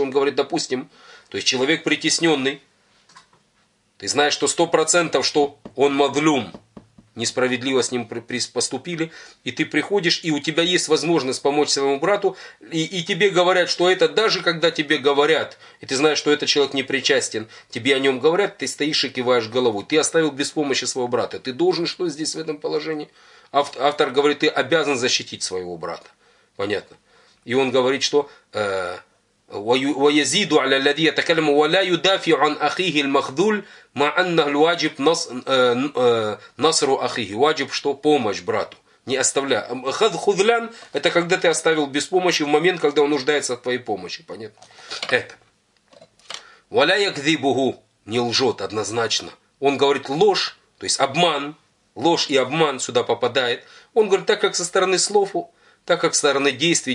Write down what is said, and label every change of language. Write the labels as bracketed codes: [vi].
[ru] Он говорит, допустим, то есть человек притесненный, ты знаешь, что 100%, что он мадлюм, несправедливо с ним поступили, и ты приходишь, и у тебя есть возможность помочь своему брату, и тебе говорят, что это, даже когда тебе говорят, и ты знаешь, что этот человек не причастен, тебе о нем говорят, ты стоишь и киваешь головой, ты оставил без помощи своего брата, ты должен что здесь в этом положении? Автор говорит, ты обязан защитить своего брата. Понятно. И он говорит, что... [ar] وَيَزِيدُ عَلَى الَّذِي يَتَكَلَّمُ وَلَا يُدَافِعُ عَنْ أَخِيهِ الْمَخْذُولِ مَعَنَّهُ الْوَاجِبُ نَصْرُ أَخِيهِ. [ru] Ваджиб что? Помощь брату. не оставляя. Хадхудлян — это когда ты оставил без помощи в момент, когда он нуждается в твоей помощи. Понятно? Это. Валя якзибугу — не лжет однозначно. Он говорит ложь, то есть обман. Ложь и обман сюда попадает. Он говорит так, как со стороны слов, так как со стороны действий.